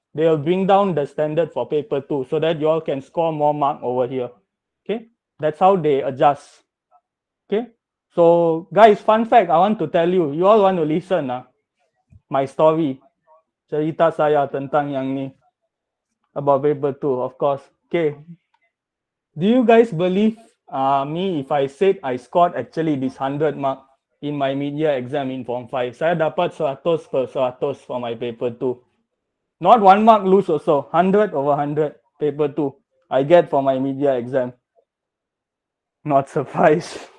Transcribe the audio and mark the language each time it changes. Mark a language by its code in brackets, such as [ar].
[en] They'll bring down the standard for paper 2 so that you all can score more mark over here. Okay? That's how they adjust. Okay? So, guys, fun fact, I want to tell you. You all want to listen, my story. [ms] Cerita saya tentang yang ni. [en] About paper 2, of course. Okay. Do you guys believe me if I said I scored actually this 100 mark? In my mid-year exam in Form 5, [ms] saya dapat [en] 100 per 100 for my paper 2. Not one mark loose also, 100 over 100 paper 2 I get for my mid-year exam. Not surprised.